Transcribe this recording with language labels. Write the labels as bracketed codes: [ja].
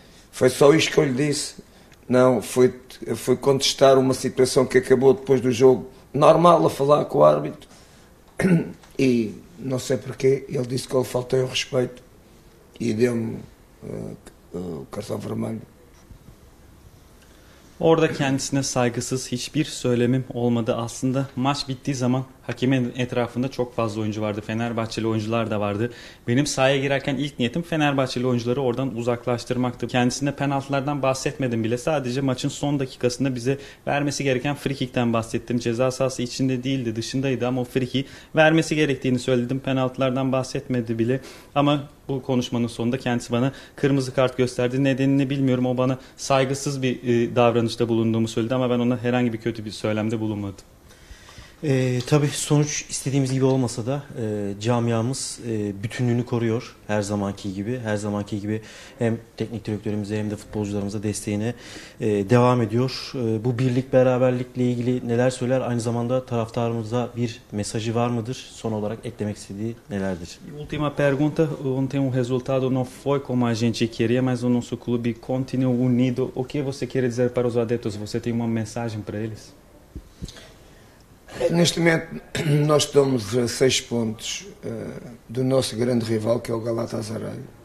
[pt] Foi só isto que eu lhe disse. Não, foi contestar uma situação que acabou depois do jogo normal, a falar com o árbitro, e não sei porquê, ele disse que eu faltei ao respeito e deu-me o cartão vermelho. [tr] Orada kendisine saygısız hiçbir söylemim olmadı. Aslında maç bittiği zaman hakemin etrafında çok fazla oyuncu vardı. Fenerbahçeli oyuncular da vardı. Benim sahaya girerken ilk niyetim Fenerbahçeli oyuncuları oradan uzaklaştırmaktı. Kendisine penaltılardan bahsetmedim bile. Sadece maçın son dakikasında bize vermesi gereken free kick'ten bahsettim. Ceza sahası içinde değildi, dışındaydı ama o free kick'i vermesi gerektiğini söyledim. Penaltılardan bahsetmedi bile ama bu konuşmanın sonunda kendisi bana kırmızı kart gösterdi. Nedenini bilmiyorum. O bana saygısız bir davranışta bulunduğumu söyledi ama ben ona herhangi bir kötü bir söylemde bulunmadım. Tabii sonuç istediğimiz gibi olmasa da camiamız bütünlüğünü koruyor her zamanki gibi. Her zamanki gibi hem teknik direktörümüze hem de futbolcularımıza desteğine devam ediyor. Bu birlik beraberlikle ilgili neler söyler? Aynı zamanda taraftarımıza bir mesajı var mıdır? Son olarak eklemek istediği nelerdir? [pt] Última pergunta. Ontem o resultado não foi como a gente queria, mas o nosso clube continua unido. O que você quer dizer para os adeptos? Você tem uma mensagem para eles? Neste momento nós estamos a 6 pontos do nosso grande rival, que é o Galatasaray.